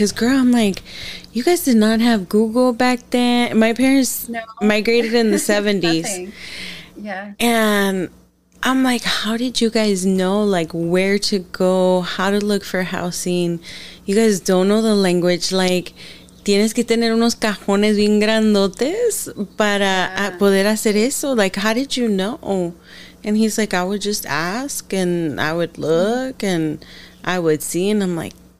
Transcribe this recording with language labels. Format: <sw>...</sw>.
<en>Because, girl, I'm like, you guys did not have Google back then. My parents migrated in the 70s. Yeah. And I'm like, how did you guys know, like, where to go, how to look for housing? You guys don't know the language.</en> <es>Like, tienes que tener unos cajones bien grandotes para poder hacer eso.</es> <en>Like, how did you know? And he's like, I would just ask, and I would look, and I would see, and I'm like,</en>